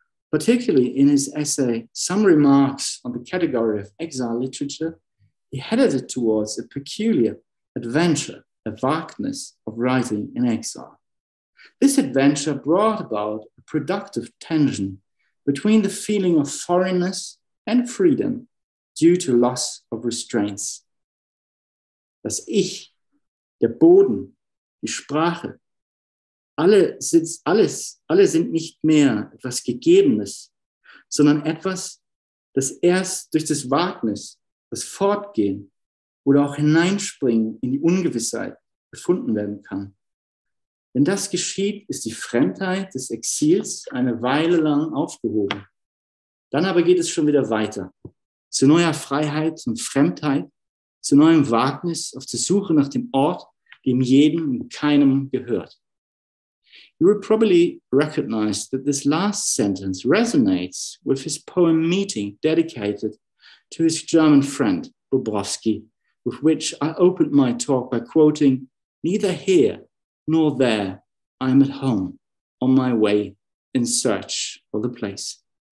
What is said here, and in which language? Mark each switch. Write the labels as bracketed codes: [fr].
[en] Particularly in his essay, Some Remarks on the Category of Exile Literature, he headed it towards a peculiar adventure, a wagness of writing in exile. This adventure brought about a productive tension between the feeling of foreignness and freedom due to loss of restraints. [de] Das Ich, der Boden, die Sprache, alle sind nicht mehr etwas Gegebenes, sondern etwas, das erst durch das Wagnis, das Fortgehen oder auch Hineinspringen in die Ungewissheit gefunden werden kann. Wenn das geschieht, ist die Fremdheit des Exils eine Weile lang aufgehoben. Dann aber geht es schon wieder weiter, zu neuer Freiheit und Fremdheit, zu neuem Wagnis auf der Suche nach dem Ort, dem jedem und keinem gehört. [en] You will probably recognize that this last sentence resonates with his poem Meeting, dedicated to his German friend, Bobrovsky, with which I opened my talk by quoting, "Neither here nor there, I am at home, on my way in search of the place."